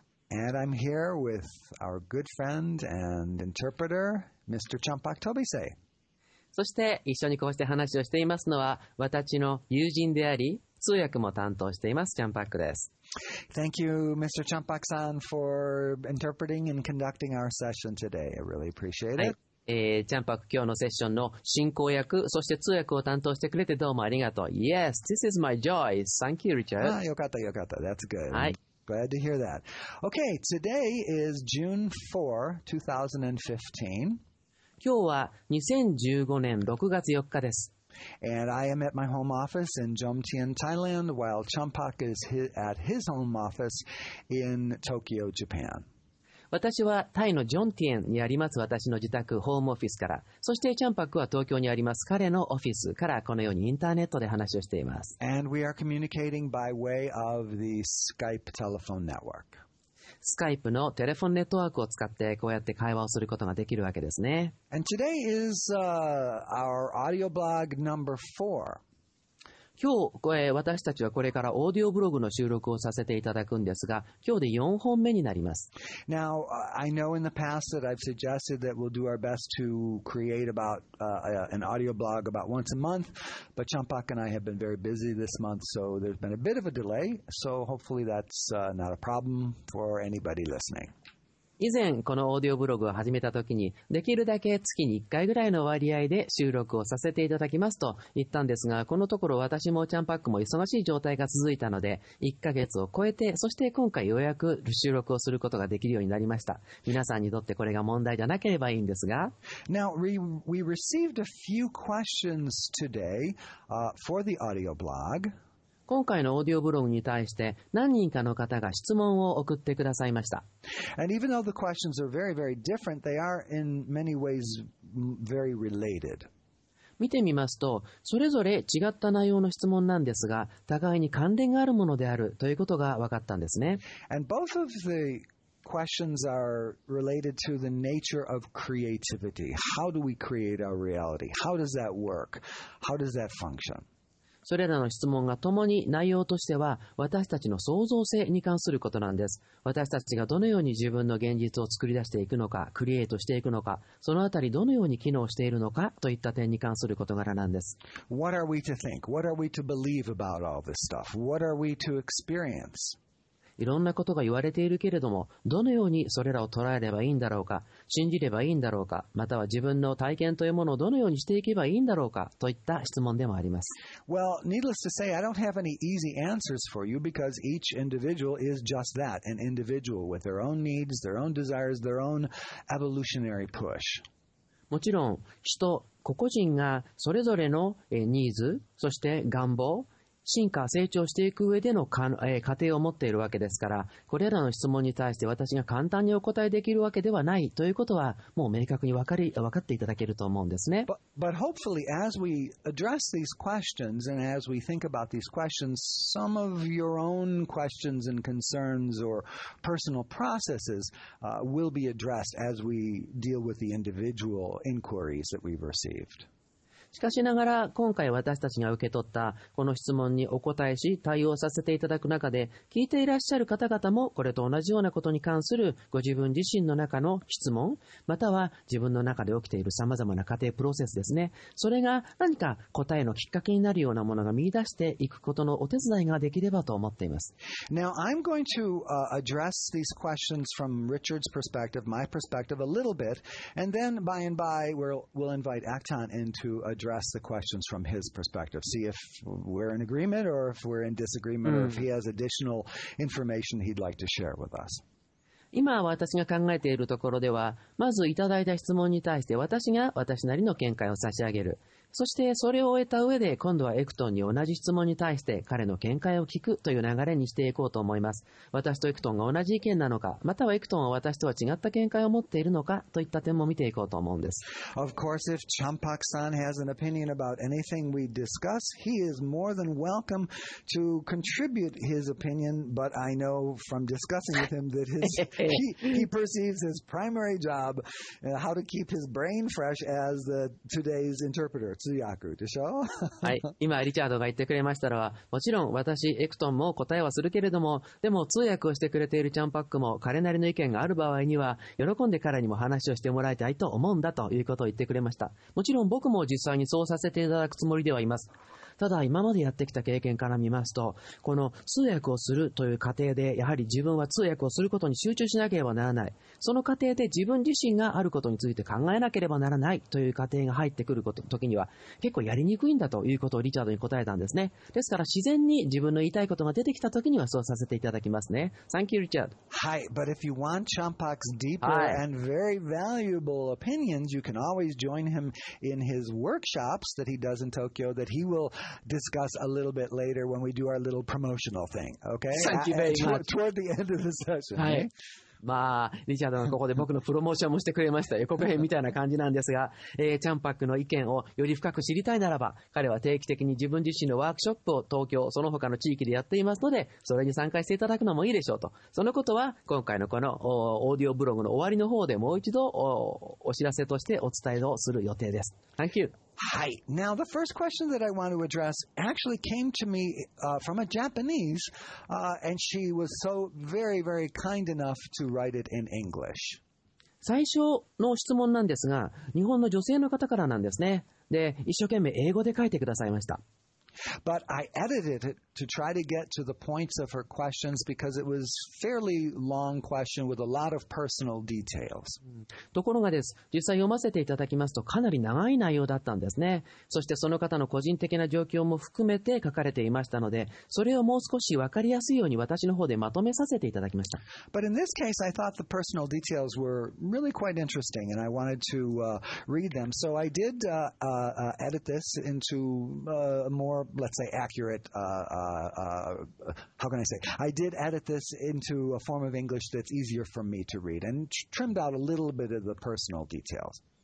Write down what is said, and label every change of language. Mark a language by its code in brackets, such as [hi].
[en] And I'm here with our good friend and interpreter, Mr. Champak Tobise. [ja] そして一緒にこうして話をしていますのは私の友人であり通訳も担当していますチャンパックです。 [en] Thank you, Mr. Champak-san, for interpreting and conducting our session today. I really appreciate it. [ja] チャンパク今日のセッションの進行役そして通訳を担当してくれてどうもありがとう [en] Yes, this is my joy. Thank you, Richard. [ja] ああよかったよかった [en] That's good. はい、Glad to hear that. Okay, today is June 4, 2015. [ja] 今日は2015年 6月4日です。私はタイのジョンティエンにあります私の自宅ホームオフィスから、そしてチャンパックは東京にあります彼のオフィスからこのようにインターネットで話をしています。 [en] And we are communicating by way of the Skype telephone network. [ja] Skype のテレフォンネットワークを使ってこうやって会話をすることができるわけですね。 [en] And today is, our audio blog number 4. [ja] 今日、私たちはこれからオーディオブログの収録をさせていただくんですが、今日で4本目になります。 [en] Now, I know in the past that I've suggested that we'll do our best to create about, an audio blog about once a month, but Champak and I have been very busy this month, so there's been a bit of a delay, so hopefully that's, not a problem for anybody listening. [ja] 以前このオーディオブログを始めたときにできるだけ月に1回ぐらいの割合で収録をさせていただきますと言ったんですがこのところ私もチャンパックも忙しい状態が続いたので1ヶ月を超えてそして今回ようやく収録をすることができるようになりました。皆さんにとってこれが問題じゃなければいいんですが [en] Now we received a few questions today, for the audio blog. [ja] 今回のオーディオブログに対して何人かの方が質問を送ってくださいました。 [en] And even though the questions are very, very different, they are in many ways very related. [ja] 見てみますと、それぞれ違った内容の質問なんですが、互いに関連があるものであるということが分かったんですね。 [en] And both of the questions are related to the nature of creativity. How do we create our reality? How does that work? How does that function? [ja] それらの質問が共に内容としては私たちの創造性に関することなんです。私たちがどのように自分の現実を作り出していくのか、クリエイトしていくのか、そのあたりどのように機能しているのかといった点に関する事柄なんです。 [en] What are we to think? What are we to believe about all this stuff? What are we to experience? [ja] いろんなことが言われているけれども、どのようにそれらを捉えればいいんだろうか、信じればいいんだろうか、または自分の体験というものをどのようにしていけばいいんだろうか、といった質問でもあります。 [en] Well, needless to say, I don't have any easy answers for you because each individual is just that, an individual with their own needs, their own desires, their own evolutionary push. [ja] もちろん、人、個々人がそれぞれのニーズ、そして願望、進化、成長していく上での過程を持っているわけですから、これらの質問に対して私が簡単にお答えできるわけではないということは、もう明確に分かっていただけると思うんですね。 [en] But hopefully, as we address these questions and as we think about these questions, some of your own questions and concerns or personal processes, will be addressed as we deal with the individual inquiries that we've received. [ja] しかしながら今回私たちが受け取ったこの質問にお答えし対応させていただく中で聞いていらっしゃる方々もこれと同じようなことに関するご自分自身の中の質問または自分の中で起きている様々な過程プロセスですねそれが何か答えのきっかけになるようなものが見出していくことのお手伝いができればと思っています [en] Now I'm going to address these questions from Richard's perspective, my perspective a little bit and then by and by we'll invite Acton intoaddress the questions from his perspective. See if we're in agreement or if we're in disagreement or if he has additional information he'd like to share with us. [ja] 今私が考えているところではまずいただいた質問に対して私が私なりの見解を差し上げるそしてそれを終えた上で今度はエクトンに同じ質問に対して彼の見解を聞くという流れにしていこうと思います私とエクトンが同じ意見なのかまたはエクトンは私とは違った見解を持っているのかといった点も見ていこうと思うんです [en] Of course, if Champak-san has an opinion about anything we discuss, he is more than welcome to contribute his opinion, but I know from discussing with him that his he perceives his primary job, how to keep his brain fresh as the today's interpreter, [ja] 通訳でしょ。はい、今リチャードが言ってくれましたのは、もちろん私エクトンも答えはするけれども、でも通訳をしてくれているチャンパックも彼なりの意見がある場合には喜んで彼にも話をしてもらいたいと思うんだということを言ってくれました。もちろん僕も実際にそうさせていただくつもりではいます。ただ今までやってきた経験から見ますと、この通訳をするという過程でやはり自分は通訳をすることに集中しなければならない、その過程で自分自身があることについて考えなければならないという過程が入ってくること時には結構やりにくいんだということをリチャードに答えたんですね。ですから自然に自分の言いたいことが出てきた時にはそうさせていただきますね。 [en] Thank you, Richard. はい、 But if you want Champak's deeper and very valuable opinions, you can always join him in his workshops that he does in Tokyo that he willDiscuss a little bit later when we do our little promotional thing. Okay? Thank you very much. Toward the end of the session. [ja] はい。まあ、リチャードがここで僕のプロモーションもしてくれました。予告編みたいな感じなんですが、チャンパックの意見をより深く知りたいならば、彼は定期的に自分自身のワークショップを東京、その他の地域でやっていますので、それに参加していただくのもいいでしょうと。そのことは、今回のこのオーディオブログの終わりの方でもう一度お知らせとしてお伝えをする予定です。 [en] Thank you. Hi. Now, the first question that I want to address actually came to me, from a Japanese, and she was so very, very kind enough to write it in English. [ja] 最初の質問なんですが、日本の女性の方からなんですね。で、一生懸命英語で書いてくださいました。 [en] But I edited it to try to get to the points of her questions because it was a fairly long question with a lot of personal details. [ja] ところがです、実際読ませていただきますとかなり長い内容だったんですね。そしてその方の個人的な状況も含めて書かれていましたので、それをもう少し分かりやすいように私の方でまとめさせていただきました。 [en] But in this case, I thought the personal details were really quite interesting and I wanted to read them. So I did edit this into more, let's say, accurate, how can I say? I did edit this into a form of English that's easier for me to read and trimmed out a little bit of the personal details.